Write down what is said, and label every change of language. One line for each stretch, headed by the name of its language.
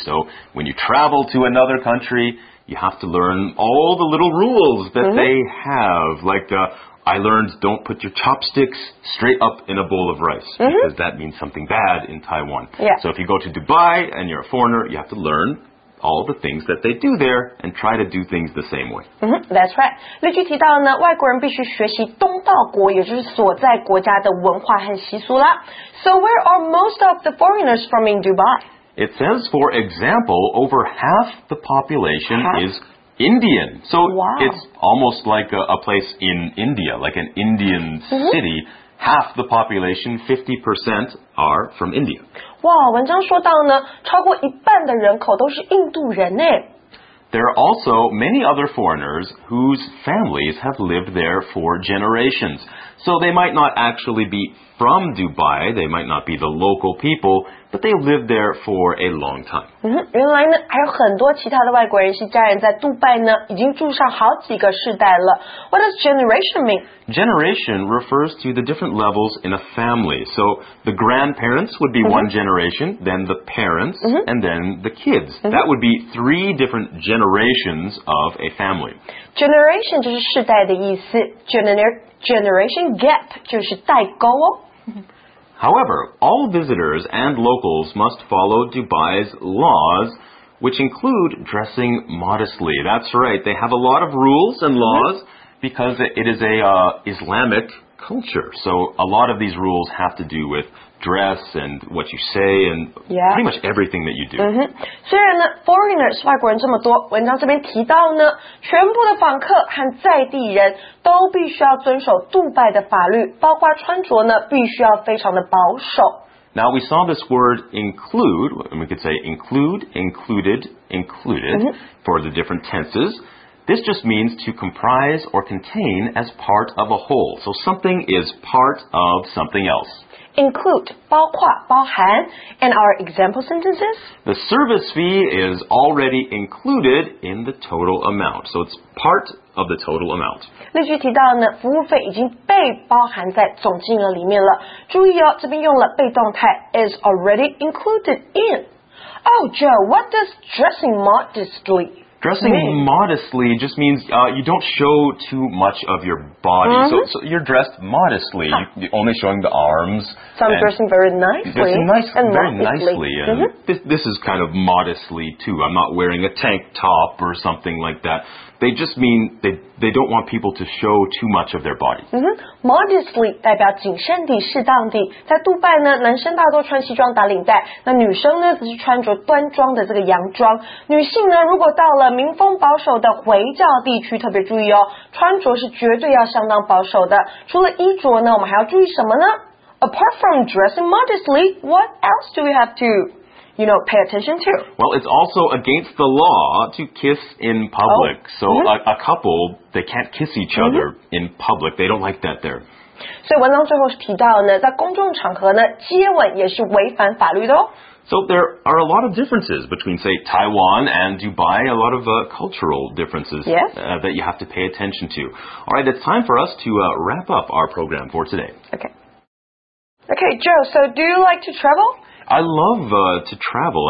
English: So when you travel to another country, you have to learn all the little rules that mm-hmm. they have. Like I learned, don't put your chopsticks straight up in a bowl of rice, mm-hmm. because that means something bad in Taiwan. Yeah. So if you go to Dubai and you're a foreigner, you have to learn all the things that they do there and try to do things the same way. Mm-hmm, that's right.
Chinese: 例句提到呢，外国人必须学习东道国，也就是所在国家的文化和习俗啦。
English: So where are most of the foreigners from in Dubai? It says, for example, over half the population is Indian. So it's almost like a place in India, like an Indian city. Half the population, 50%, are from India.
Chinese: Wow, 文章说到呢，超过一半的人口都是印度人呢。
English: There are also many other foreigners whose families have lived there for generations. So they might not actually be from Dubai, they might not be the local people, but they lived there for a long time.
Chinese: 原来呢，还有很多其他的外国人是家人在杜拜呢，已经住上好几个世代了。
English: What does generation mean? Generation refers to the different levels in a family. So the grandparents would be one generation, then the parents, and then the kids. That would be three different generations of a family.
Chinese: Generation 就是世代的意思。Generation gap 就是代沟哦。
English: However, all visitors and locals must follow Dubai's laws, which include dressing modestly. That's right, they have a lot of rules and laws because it is a Islamic culture. So a lot of these rules have to do with dress and what you say and pretty much everything that you do.
Chinese: 虽然呢 foreigners 外国人这么多，文章这边提到呢，全部的访客和在地人都必须要遵守杜拜的法律，包括穿着呢必须要非常的保守。
English: Now we saw this word include, and we could say include, included, included for the different tenses. This just means to comprise or contain as part of a whole. So something is part of something else. Include,
Chinese: 包括包含
English: and our example sentences? The service fee is already included in the total amount. So it's part of the total amount.
Chinese: 例句提到呢，服务费已经被包含在总金额里面了。注意哦，这边用了被动态
English: is already included in. Oh, Joe, what does dressing modestly mean? Dressing modestly just means you don't show too much of your body. So you're dressed modestly. You're only showing the arms. So I'm dressing very nicely. Very nicely. And this is kind of modestly, too. I'm not wearing a tank top or something like that. They just mean they don't want people to show too much of their body.
Chinese: Modestly 代表谨慎地、适当地。在杜拜呢，男生大多穿西装打领带，那女生呢，则是穿着端庄的这个洋装。女性呢，如果到了民风保守的回教地区，特别注意哦，穿着是绝对要相当保守的。除了衣着呢，我们还要注意什么呢？
English: Apart from dressing modestly, what else do we have to... You know, pay attention to. Well, it's also against the law to kiss in public. Oh. So a couple, they can't kiss each other in public. They don't like that there.
Chinese: So 文章最后提到呢，在公众场合呢，接吻也是违反法律的哦。
English: So there are a lot of differences between, say, Taiwan and Dubai, a lot of cultural differences that you have to pay attention to. All right, it's time for us to wrap up our program for today. Okay. Okay, Joe, so do you like to travel? I love to travel.